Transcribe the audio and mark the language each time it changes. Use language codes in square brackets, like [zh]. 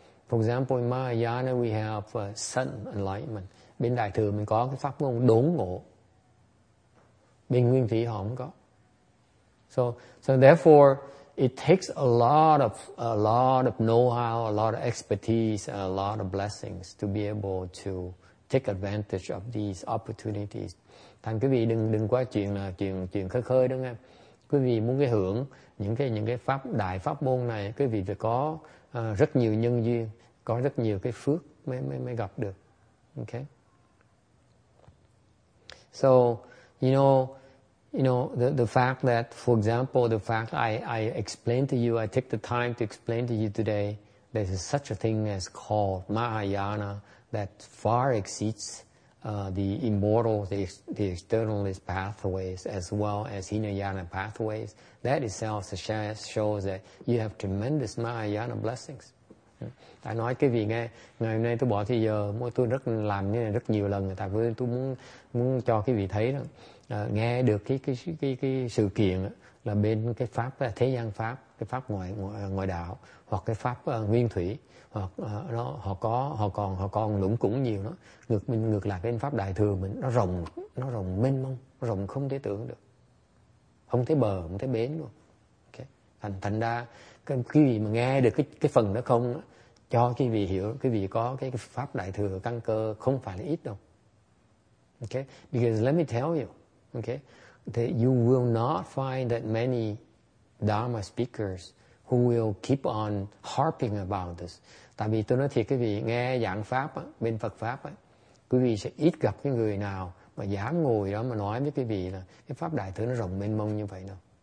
[en] For example, in Mahayana we have sun enlightenment. [vi] Bên đại thừa mình có cái pháp môn đốn ngộ. Bên nguyên thủy họ không có. [en] So therefore it takes a lot of know-how, a lot of expertise, a lot of blessings to be able to take advantage of these opportunities. [vi] Thành quý vị đừng qua chuyện là chuyện khơi khơi đó nghe. Quý vị muốn cái hưởng những cái pháp đại pháp môn này, quý vị phải có rất nhiều nhân duyên, có rất nhiều cái phước mới gặp được. [en] Okay. So, you know the fact that, for example, the fact I explained to you, I take the time to explain to you today, there is such a thing as called Mahayana that far exceeds the immortal, the externalist pathways as well as Hinayana pathways. That itself shows that you have tremendous Mahayana blessings. [vi] Tại nói cái gì nghe, ngày hôm nay tôi bỏ thời giờ, tôi rất làm như này rất nhiều lần, tại vì tôi muốn cho cái vị thấy đó, nghe được cái sự kiện là bên cái pháp thế gian pháp, cái pháp ngoài đạo hoặc cái pháp nguyên thủy. Hoặc nó họ còn lũng củng nhiều đó, ngược lại cái pháp đại thừa mình nó rộng mênh mông, rộng không thể tưởng được, không thấy bờ, không thấy bến luôn. Okay. thành ra cái quý vị mà nghe được cái phần đó không, cho quý vị hiểu quý vị có cái pháp đại thừa căn cơ không phải là ít đâu. [en] Okay, because let me tell you, Okay, that you will not find that many Dharma speakers who will keep on harping about this. [vi] Tại vì tôi nói thiệt quý vị, nghe giảng pháp á, bên Phật pháp á, quý vị sẽ ít gặp cái người nào mà dám ngồi đó mà nói với quý vị là cái pháp đại thừa nó rộng mênh mông như vậy đâu.